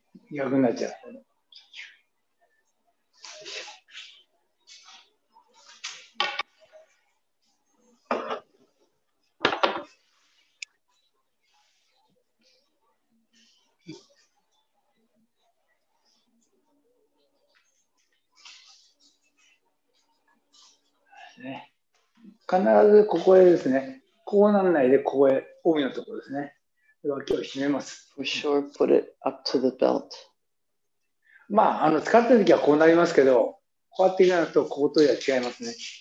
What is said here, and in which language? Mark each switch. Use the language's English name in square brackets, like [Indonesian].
[Japanese] 逆になっちゃう、ね、必ずここへですね、こうなんないでここへ、帯のところですね、脇を締めます。 [English] For sure, put it up to the belt. [Japanese] まあ、あの使ってるときはこうなりますけど、こうやってやるとこことは違いますね。